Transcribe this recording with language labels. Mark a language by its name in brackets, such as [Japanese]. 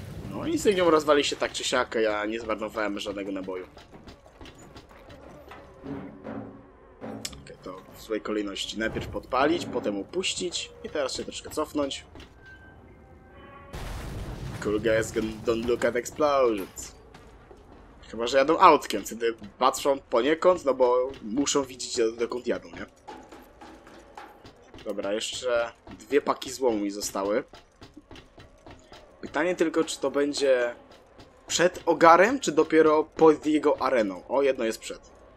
[Polish] No i z nią rozwali się tak czy siak, ja nie zmarnowałem żadnego naboju. Okej, to w złej kolejności. Najpierw podpalić, potem upuścić i teraz się troszkę cofnąć. [English] Cool guys don't look at explosions. [Polish] Chyba, że jadą autkiem, wtedy patrzą poniekąd, no bo muszą widzieć, dokąd jadą, nie? Dobra, jeszcze dwie paki złomu mi zostały. Pytanie tylko, czy to będzie przed ogarem, czy dopiero pod jego areną? O, jedno jest przed.